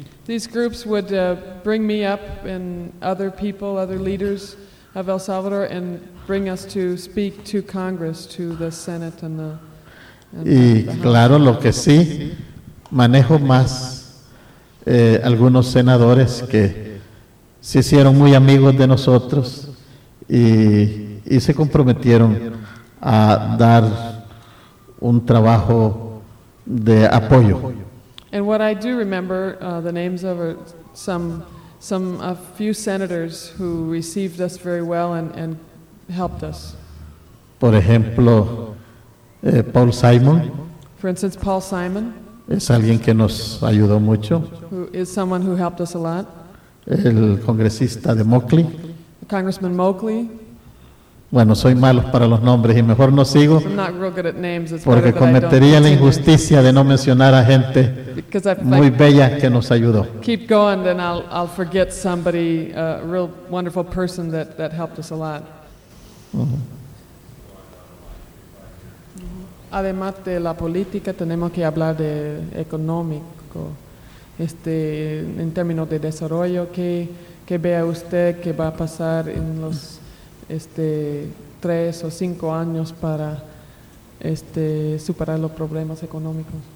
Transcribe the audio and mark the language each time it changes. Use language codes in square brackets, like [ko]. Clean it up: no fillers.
[en] These groups would bring me up and other people, other leaders of El Salvador, and bring us to speak to Congress, to the Senate and the. [es] Y claro, lo que sí, manejo más algunos senadores que se hicieron muy amigos de nosotros y se comprometieron a dar un trabajo de apoyo. [en] And what I do remember, the names of a few senators who received us very well and helped us. [es] Por ejemplo, Paul Simon. [en] For instance, Paul Simon. [es] Es alguien que nos ayudó mucho. [en] Who is someone who helped us a lot. [es] El congresista de Mockley. [en] Congressman Mockley. [es] Bueno, soy malo para los nombres y mejor no sigo. [en] I'm not real good at names. It's [es] porque cometería la injusticia de no mencionar a gente muy bella que nos ayudó. [en] Keep going, then I'll forget somebody, a real wonderful person that helped us a lot. [es] Además de la política, tenemos que hablar de económico. En términos de desarrollo, ¿qué vea usted que va a pasar en los 3 o 5 años para superar los problemas económicos?